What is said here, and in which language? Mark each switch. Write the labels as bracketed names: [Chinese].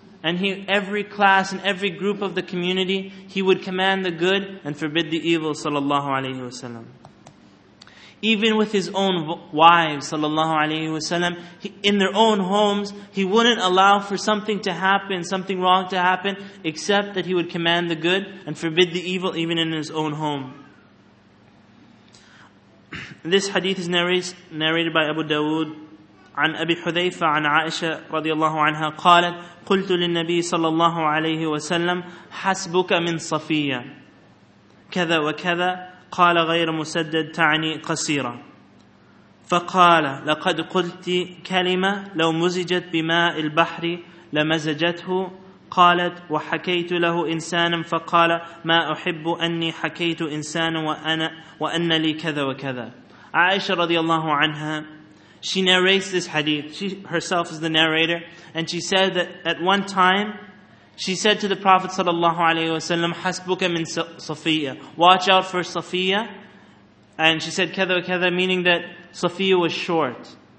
[English] And he, every class and every group of the community, he would command the good and forbid the evil sallallahu alayhi wa sallam. Even with his own wives, sallallahu alayhi wa sallam, in their own homes, he wouldn't allow for something to happen, something wrong to happen, except that he would command the good and forbid the evil even in his own home. This hadith is narrated by Abu Dawood, [Arabic] عن أبي حذيفة عن عائشة رضي الله عنها قالت قلت للنبي صلى الله عليه وسلم حسبك من صفية كذا وكذا قال غير مسدد تعني قصيرة فقال لقد قلت كلمة لو مزجت بماء البحر لمزجته قالت وحكيت له إنسانا فقال ما أحب أني حكيت إنسانا وأن لي كذا وكذا. عائشة رضي الله عنها, [English] she narrates this hadith. She herself is the narrator, and she said that at one time she said to the Prophet sallallahu alayhi wa sallam, [Arabic] حَسْبُكَ مِنْ صَفِيَّةَ, [English] watch out for Safiya. And she said, [Arabic] كَذَا وَكَذَا, [English] meaning that Safiya was short.